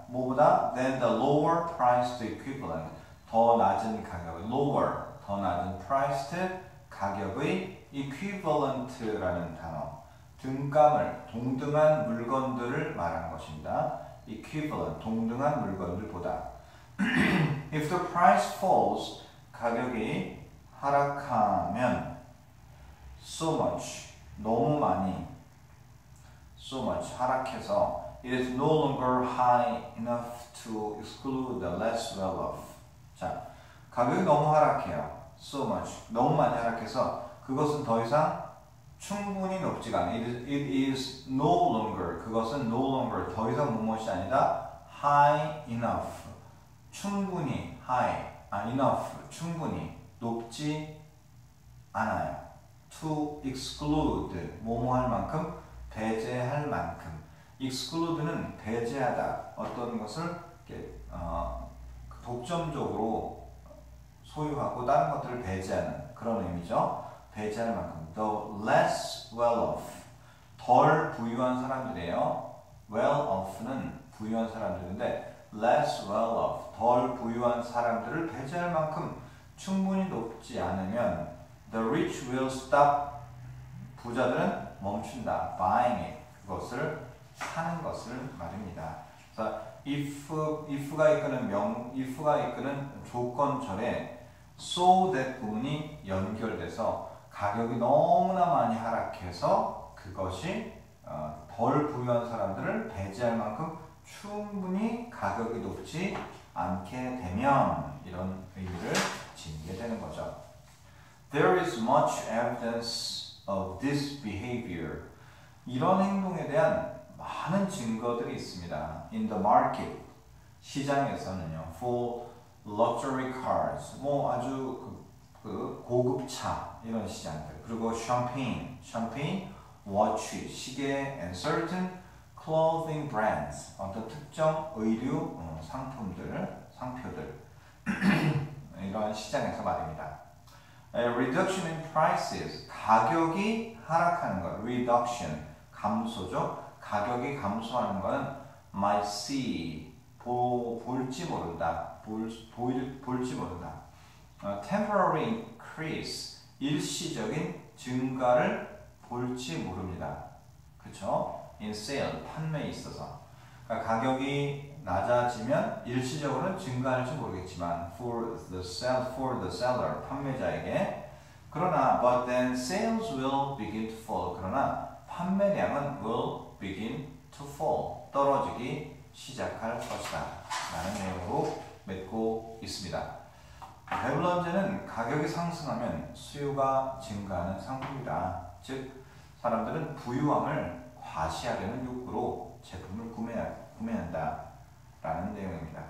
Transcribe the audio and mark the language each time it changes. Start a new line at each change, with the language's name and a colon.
Korean: 뭐보다
English: than the lower priced equivalent
Korean: 더 낮은 가격, lower 더 낮은 priced 가격의 equivalent라는 단어, 등감을 동등한 물건들을 말한 것입니다. Equivalent 동등한 물건들보다.
English: If the price falls
Korean: 가격이 하락하면
English: so much
Korean: 너무 많이
English: so much
Korean: 하락해서
English: it is no longer high enough to exclude the less well off.
Korean: 자 가격이 너무 하락해요.
English: So much
Korean: 너무 많이 하락해서 그것은 더 이상 충분히 높지가 않아.
English: It is no longer
Korean: 그것은
English: no longer
Korean: 더 이상 무엇이 아니다.
English: High enough
Korean: 충분히 high 아 enough 충분히 높지 않아요.
English: To exclude
Korean: 뭐뭐할 만큼 배제할 만큼. Exclude는 배제하다 어떤 것을 이렇게 독점적으로 소유하고 다른 것들을 배제하는 그런 의미죠. 배제할 만큼.
English: The less well off
Korean: 덜 부유한 사람들이에요.
English: Well off
Korean: 는 부유한 사람들인데
English: less well off
Korean: 덜 부유한 사람들을 배제할 만큼 충분히 높지 않으면
English: the rich will stop
Korean: 부자들은 멈춘다.
English: Buying it
Korean: 그것을 사는 것을 말입니다. So if가 이끄는 명 if가 이끄는 조건절에 so that 부분이 연결돼서 가격이 너무나 많이 하락해서 그것이 덜 부유한 사람들을 배제할 만큼 충분히 가격이 높지 않게 되면 이런 의미를 지니게 되는 거죠.
English: There is much evidence of this behavior.
Korean: 이런 행동에 대한 많은 증거들이 있습니다.
English: In the market,
Korean: 시장에서는요.
English: For luxury cars,
Korean: 뭐 아주 그 고급차 이런 시장들. 그리고 샴페인, watch, 시계,
English: and certain clothing brands,
Korean: 어떤 특정 의류 상품들, 상표들. 이런 시장에서 말입니다.
English: A reduction in prices,
Korean: 가격이 하락하는 것,
English: reduction,
Korean: 감소죠. 가격이 감소하는 것은
English: might see,
Korean: 볼지 모른다, 볼지 모른다.
English: Temporary increase,
Korean: 일시적인 증가를 볼지 모릅니다. 그렇죠?
English: In sale,
Korean: 판매에 있어서. 그러니까 가격이 낮아지면 일시적으로는 증가할지 모르겠지만
English: for the seller,
Korean: 판매자에게. 그러나,
English: but then sales will begin to fall.
Korean: 그러나 판매량은
English: will begin to fall.
Korean: 떨어지기 시작할 것이다. 라는 내용으로 맺고 있습니다. 베블런제는 가격이 상승하면 수요가 증가하는 상품이다. 즉, 사람들은 부유함을 과시하려는 욕구로 제품을 구매한다. 라는 내용입니다.